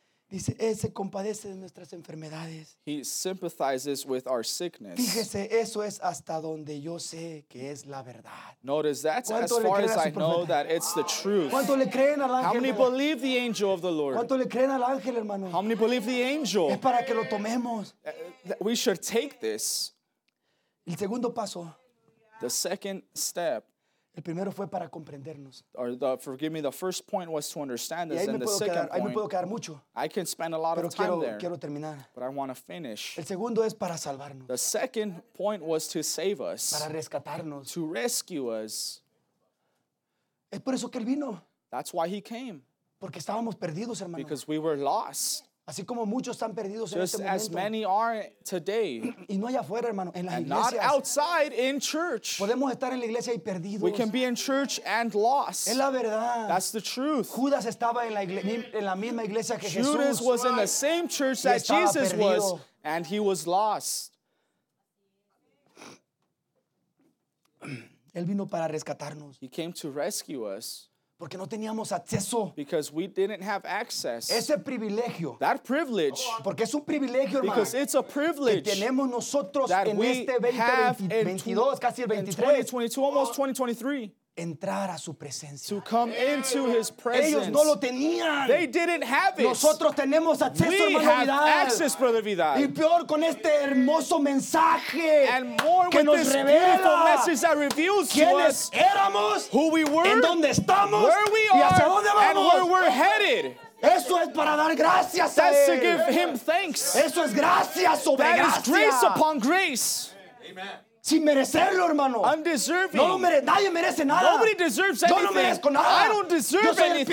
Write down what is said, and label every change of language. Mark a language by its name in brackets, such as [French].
[Spanish] Dice, él se compadece de nuestras enfermedades. [English] He sympathizes with our sickness. [Spanish] Fíjese, eso es hasta donde yo sé que es la verdad. [English] Notice, that's as far as I know that it's the truth. [Spanish] ¿Cuánto le creen al ángel? [English] How many believe the angel of the Lord? [Spanish] ¿Cuánto le creen al ángel, hermano? [English] How many believe the angel? [Spanish] Es para que lo tomemos. [English] We should take this. [Spanish] El segundo paso. [English] The second step. [Spanish] El primero fue para comprendernos. [English] Or the, forgive me, the first point was to understand this. [Spanish] Y ahí me [English] and the [Spanish] puedo [English] second [Spanish] quedar, [English] point, [Spanish] ahí me puedo quedar mucho. [English] I can spend a lot [Spanish] pero [English] of time [Spanish] quiero, [English] there. [Spanish] Quiero terminar. [English] But I want to finish. [Spanish] El segundo es para salvarnos. [English] The second point was to save us. [Spanish] Para rescatarnos. [English] To rescue us. [Spanish] Es por eso que él vino. [English] That's why he came. [Spanish] Porque estábamos perdidos, hermano. [English] Because we were lost. [Spanish] Así como muchos están perdidos [English] just [Spanish] en este momento. [English] Just as many are today. [Spanish] Y no allá afuera, hermano, en las [English] and [Spanish] iglesias. [English] And not outside in church. [Spanish] Podemos estar en la iglesia y perdidos. [English] We can be in church and lost. [Spanish] Es la verdad. [English] That's the truth. [Spanish] Judas estaba en la en la misma iglesia que [English] Judas [Spanish] Jesús. [English] Judas was in the same church [Spanish] y [English] that Jesus [Spanish] perdido. [English] Was, and he was lost. [Spanish] Él vino para rescatarnos. [English] He came to rescue us. [Spanish] Porque no teníamos acceso. [English] Because we didn't have access. [Spanish] Ese privilegio. [English] That privilege. [Spanish] Porque es un privilegio, hermano. [English] Because it's a privilege. [Spanish] Que tenemos nosotros en este 2022, casi el 23. [English] In 2022, almost 2023. [Spanish] Entrar a su presencia. [English] To come into his presence. [Spanish] Ellos no lo tenían. [English] They didn't have it. [Spanish] Nosotros tenemos acceso, [English] we [Spanish] hermano [English] have [Spanish] Vidal. [English] Access, brother Vidal. [Spanish] Y peor con este hermoso mensaje. [English] And more [Spanish] que [English] with [Spanish] nos [English] this [Spanish] revela. [English] Beautiful message that reveals to us [Spanish] éramos, [English] who we were, [Spanish] en donde estamos, [English] where we are, [Spanish] y hacia dónde vamos. [English] And where we're headed. [Spanish] Eso es para dar gracias [English] That's [Spanish] a él. [English] To give him thanks. [Spanish] Eso es gracia sobre [English] that [Spanish] gracia. [English] Is grace upon grace. [Spanish] Amen. Sin merecerlo, hermano. [English] Undeserving. [Spanish] No lo merece, nadie merece nada. [English] Nobody deserves anything. [Spanish] Yo no merezco nada. [English] I don't deserve anything.